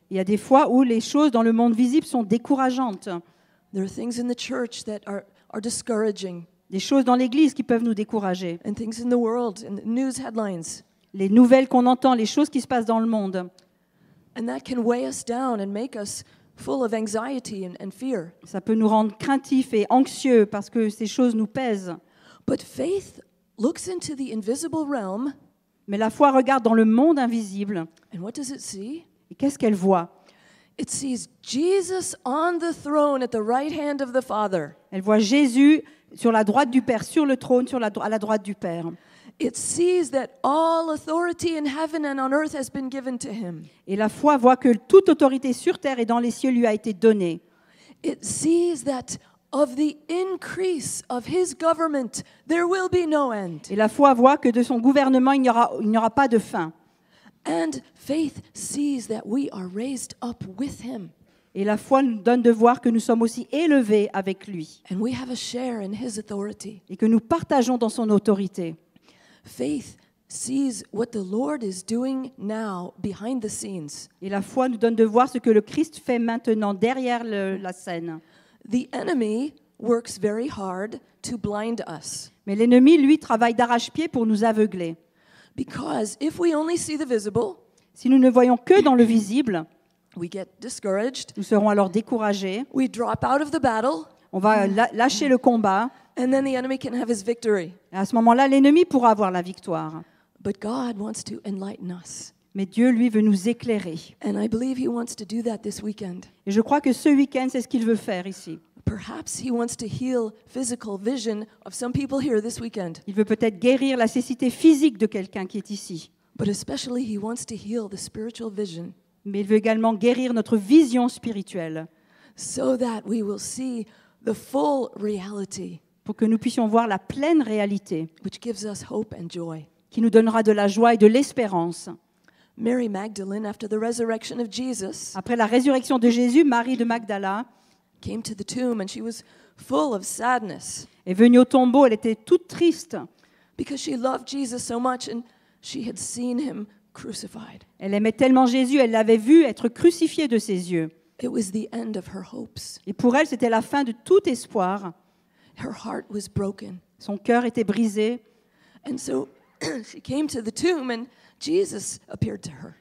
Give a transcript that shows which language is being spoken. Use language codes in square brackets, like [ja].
[fr] Il y a des fois où les choses dans le monde visible sont décourageantes. [en] There are things in the church that are discouraging. [fr] Des choses dans l'église qui peuvent nous décourager. [en] And things in the world, in the news headlines. [fr] Les nouvelles qu'on entend, les choses qui se passent dans le monde. [en] And that can weigh us down and make us full of anxiety and fear. [fr] Ça peut nous rendre craintifs et anxieux parce que ces choses nous pèsent. [en] But faith looks into the invisible realm. [fr] Mais la foi regarde dans le monde invisible. [en] And what does it see? [fr] Et qu'est-ce qu'elle voit? [en] It sees Jesus on the throne at the right hand of the Father. [fr] Elle voit Jésus sur la droite du Père, sur le trône, à la droite du Père. [en] It sees that all authority in heaven and on earth has been given to him. [fr] Et la foi voit que toute autorité sur terre et dans les cieux lui a été donnée. [en] It sees that of the increase of his government there will be no end. [fr] Et la foi voit que de son gouvernement il n'y aura pas de fin. [en] And faith sees that we are raised up with him. [fr] Et la foi nous donne de voir que nous sommes aussi élevés avec lui. [en] And we have a share in his authority. [fr] Et que nous partageons dans son autorité. [en] Faith sees what the Lord is doing now behind the scenes. [fr] Et la foi nous donne de voir ce que le Christ fait maintenant derrière la scène. [en] The enemy works very hard to blind us. [fr] Mais l'ennemi, lui, travaille d'arrache-pied pour nous aveugler. [en] Because if we only see the visible, [fr] si nous ne voyons que dans le visible, [en] we get discouraged. [fr] Nous serons alors découragés. [en] We drop out of the battle. [fr] On va lâcher le combat. [en] And then the enemy can have his victory. [fr] Et à ce moment-là, l'ennemi pourra avoir la victoire. [en] But God wants to enlighten us. [fr] Mais Dieu, lui, veut nous éclairer. [en] And I believe he wants to do that this weekend. [fr] Et je crois que ce week-end, c'est ce qu'il veut faire ici. [en] Perhaps he wants to heal physical vision of some people here this weekend. [fr] Il veut peut-être guérir la cécité physique de quelqu'un qui est ici. [en] But especially he wants to heal the spiritual vision. [fr] Mais il veut également guérir notre vision spirituelle. [en] So that we will see the full reality. [fr] Pour que nous puissions voir la pleine réalité. [en] Which gives us hope and joy. [fr] Qui nous donnera de la joie et de l'espérance. [en] Mary Magdalene, after the resurrection of Jesus, [fr] après la résurrection de Jésus, Marie de Magdala [en] came to the tomb and she was full of sadness. [fr] Est venue au tombeau, elle était toute triste. [en] Because she loved Jesus so much and she had seen him crucified. [fr] Elle aimait tellement Jésus, elle l'avait vu être crucifié de ses yeux. [en] It was the end of her hopes. [fr] Et pour elle, c'était la fin de tout espoir. [en] Her heart was broken. [fr] Son cœur était brisé. [en] And so she came to the tomb and Jesus appeared to her.